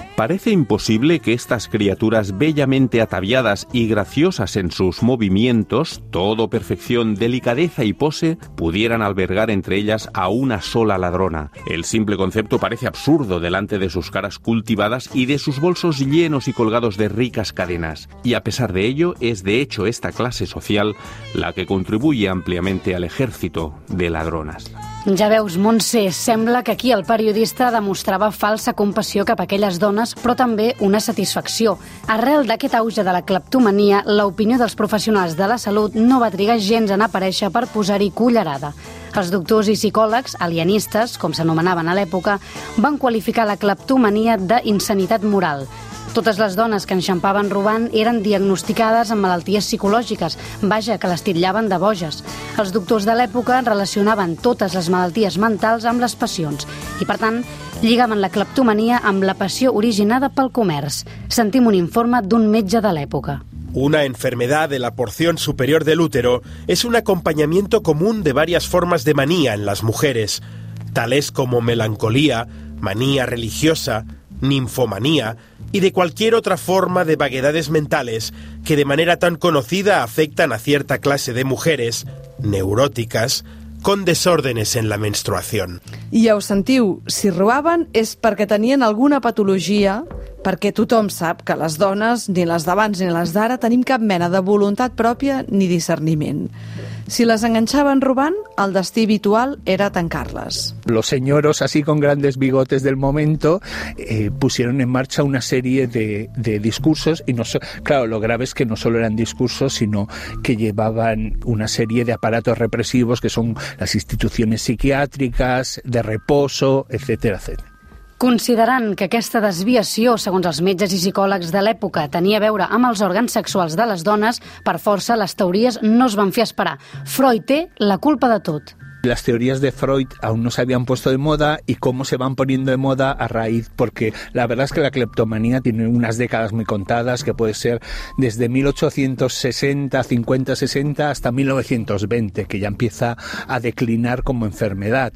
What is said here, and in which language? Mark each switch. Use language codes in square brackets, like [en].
[es] Parece imposible que estas criaturas bellamente ataviadas y graciosas en sus movimientos, todo perfección, delicadeza y pose, pudieran albergar entre ellas a una sola ladrona. El simple concepto parece absurdo delante de sus caras cultivadas y de sus bolsos llenos y colgados de ricas cadenas. Y a pesar de ello, es de hecho esta clase social la que contribuye ampliamente al ejército de ladronas. [ca] Ja veus, Montse, sembla que aquí el periodista demostrava falsa compassió cap a aquelles dones, però també una satisfacció. Arrel d'aquest auge de la cleptomania, l'opinió dels professionals de la salut no va trigar gens en aparèixer per posar-hi cullerada. Els doctors i psicòlegs, alienistes, com s'anomenaven a l'època, van qualificar la cleptomania d'insanitat moral. Totes les dones que enxampaven robant eren diagnosticades amb malalties psicològiques, vaja, que les titllaven de boges. Els doctors de l'època relacionaven totes les malalties mentals amb les passions i, per tant, lligaven la cleptomania amb la passió originada pel comerç. Sentim un informe d'un metge de l'època. [es] Una enfermedad de la porción superior del útero es un acompañamiento común de varias formas de manía en las mujeres, tales como melancolía, manía religiosa, ninfomanía y de cualquier otra forma de vaguedades mentales que de manera tan conocida afectan a cierta clase de mujeres, neuróticas, con desórdenes en la menstruación. [ca] I ja ho sentiu, si robaven és perquè tenien alguna patologia, perquè tothom sap que les dones, ni les d'abans ni les d'ara, tenim cap mena de voluntat pròpia ni discerniment. Si les enganxaven robant, el destí habitual era tancar-les. [es] Los señoros, así con grandes bigotes del momento, pusieron en marcha una serie de discursos. Y no so, claro, lo grave es que no solo eran discursos, sino que llevaban una serie de aparatos represivos, que son las instituciones psiquiátricas, de reposo, etcétera, etcétera. [ca] Considerant que aquesta desviació, segons els metges i psicòlegs de l'època, tenia a veure amb els òrgans sexuals de les dones, per força les teories no es van fer esperar. Freud té la culpa de tot. [es] Las teorías de Freud aún no se habían puesto de moda y cómo se van poniendo de moda a raíz, porque la verdad es que la cleptomanía tiene unas décadas muy contadas, que puede ser desde 1860, 50-60 hasta 1920, que ya empieza a declinar como enfermedad.